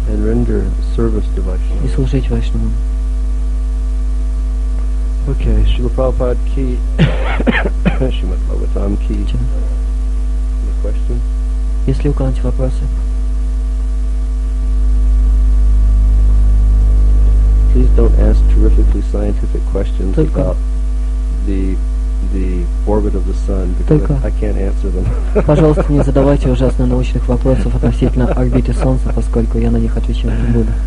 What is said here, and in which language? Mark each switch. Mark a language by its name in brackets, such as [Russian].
[English] And render service to Vaishnavas. [Russian] И служить Вайшнавам. [English] Okay, Srila Prabhupada ki. Srimad Bhagavatam ki. Any questions? [Russian] Если у кого-нибудь вопросы. [English] Please don't ask terrifically scientific questions about the orbit of the sun, because I can't answer them. [Russian] Пожалуйста, не задавайте ужасно научных вопросов относительно орбиты Солнца, поскольку я на них отвечать не буду.